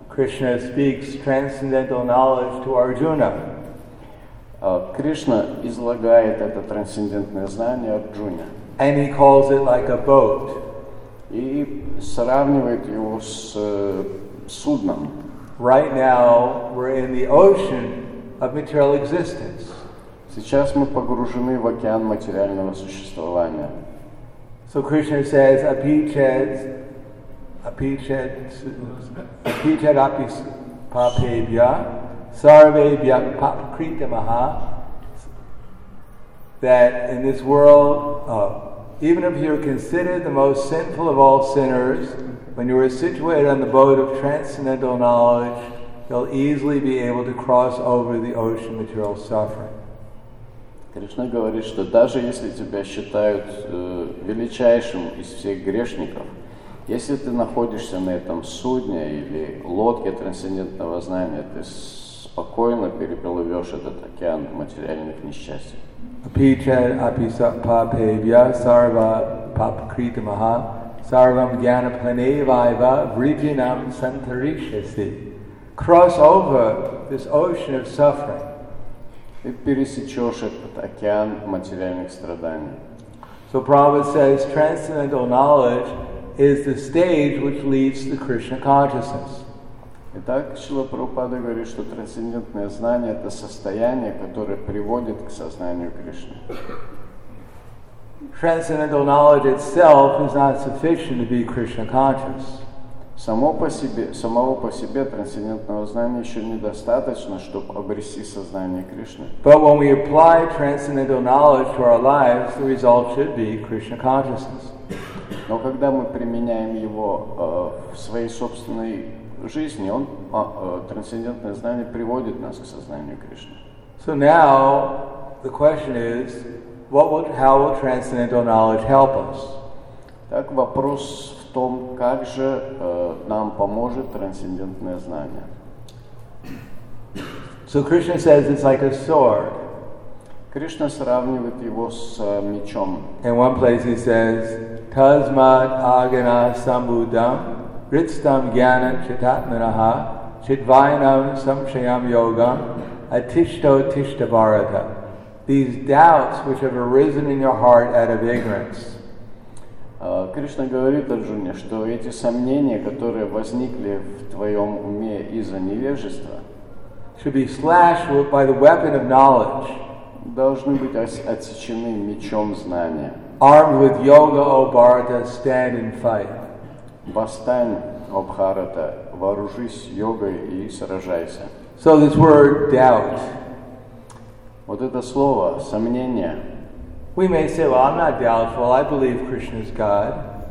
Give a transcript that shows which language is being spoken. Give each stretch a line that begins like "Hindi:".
English: Krishna speaks transcendental knowledge to Arjuna.
Russian: Кришна излагает это трансцендентное знание Арджуне.
English: And he calls it like a boat.
Russian: И сравнивает его с судном.
English: Right now we're in the ocean of material existence.
Russian: Сейчас мы погружены в океан материального существования.
English: So Krishna says,
Sanskrit: apichet apis papebhya sarve bhya papakrita maha,
English: that in this world, even if you're considered the most sinful of all sinners, when you are situated on the boat of transcendental knowledge, you'll easily be able to cross over the ocean of material suffering.
Russian: Кришна говорит, что даже если тебя считают величайшим из всех грешников, если ты находишься на этом судне или лодке трансцендентного знания, ты спокойно переплывешь этот океан материальных несчастий.
Sanskrit: Апичет аписа папевья сарва папакрита маха сарвам гьяна паневайва вриджинам сантаришаси.
English: Cross over this ocean of suffering.
Russian: И пересечешь этот океан материальных страданий.
English: So Prabhupada says, transcendental knowledge is the stage which leads to Krishna consciousness.
Russian: Итак, Шрила Прабхупада говорит, что трансцендентное знание это состояние, которое приводит к сознанию Кришны.
English: Transcendental knowledge itself is not sufficient to be Krishna conscious.
Russian: Самого по себе трансцендентного знания еще недостаточно, чтобы обрести сознание Кришны.
English: But when we apply transcendental knowledge to our lives, the result should be Krishna consciousness.
Russian: Но когда мы применяем его в своей собственной жизни, трансцендентное знание приводит нас к сознанию Кришны.
English: So now the question is, how will transcendental knowledge help us?
Russian: Так вопрос в том, как же нам поможет трансцендентное знание.
English: So Krishna says it's like a sword.
Russian: Krishna сравнивает его с мечом.
English: In one place he says,
Sanskrit: Tasmat agana sambuddham ritstam jnana chitatmanaha chitvayanam samshayam yogam atishto tishtavarata.
English: These doubts which have arisen in your heart out of ignorance.
Russian: Кришна говорит Арджуне, что эти сомнения, которые возникли в твоем уме из-за невежества,
English: should be slashed by the weapon of knowledge.
Russian: Должны быть отсечены мечом знания.
English: Armed with yoga, O Bharata, stand and fight.
Russian: Восстань, О Бхарата, вооружись йогой и сражайся.
English: So this word doubt.
Russian: Вот это слово сомнение.
English: We may say, well, I'm not doubtful, I believe Krishna is God.